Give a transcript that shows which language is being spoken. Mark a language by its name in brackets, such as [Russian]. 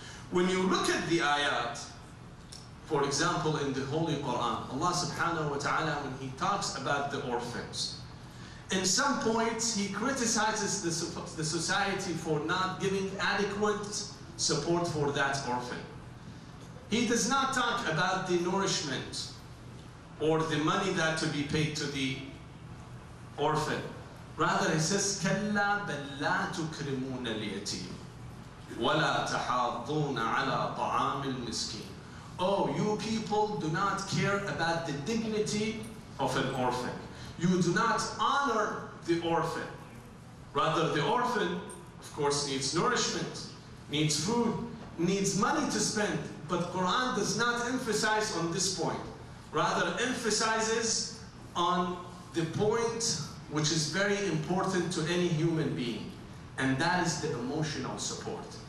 [English] When you look at the ayat, for example, in the Holy Quran, Allah subhanahu wa ta'ala, when he talks about the orphans, in some points he criticizes the society for not giving adequate support for that orphan. He does not talk about the nourishment or the money that to be paid to the orphan. Rather, he says, [Arabic] كَلَّا بَلَّا تُكْرِمُونَ الْيَتِيمِ وَلَا تَحَاضُّونَ عَلَىٰ طَعَامِ الْمِسْكِينَ. [English] Oh, you people do not care about the dignity of an orphan. You do not honor the orphan. Rather, the orphan, of course, needs nourishment, needs food, needs money to spend. But Quran does not emphasize on this point. Rather, emphasizes on the point which is very important to any human being, and that is the emotional support.